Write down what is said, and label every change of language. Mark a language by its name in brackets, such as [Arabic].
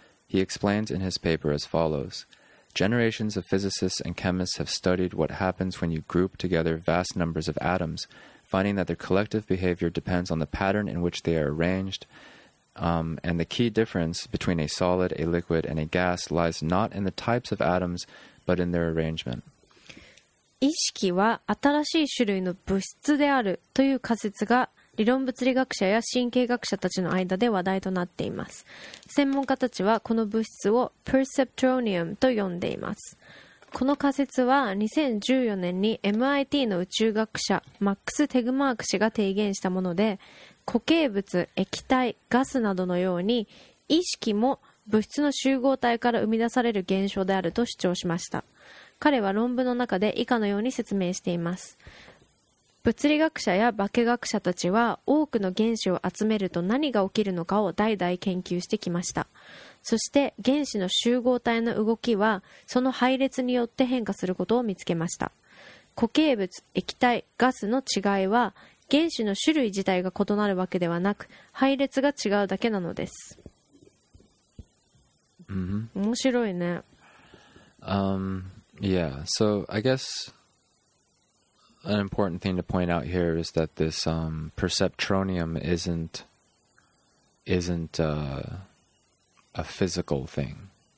[English] He explains in his paper as follows. Generations of physicists and chemists have studied what happens when you group together vast numbers of atoms, finding that their collective behavior depends on the pattern in which they are arranged, and the key difference between a solid, a liquid, and a gas lies not in the types of atoms, but in their arrangement. [Japanese] 意識は新しい種類の物質であるという仮説が理論物理学者や神経学者たちの間で話題となっています。専門家たちはこの物質をペルセプトロニウムと呼んでいます。この仮説は2014年に MIT の宇宙学者マックス・テグマーク氏が提言したもので、固形物、液体、ガスなどのように意識も物質の集合体から生み出される現象であると主張しました。彼は論文の中で以下のように説明しています。物理学者や化学者たちは多くの原子を集めると何が起きるのかを代々研究してきました。そして原子の集合体の動きはその配列によって変化することを見つけました。固形物、液体、ガスの違いは原子の種類自体が異なるわけではなく配列が違うだけなのです。面白いね。 [English] Yeah, so I guess an important thing to point out here is that this perceptronium isn't a physical thing.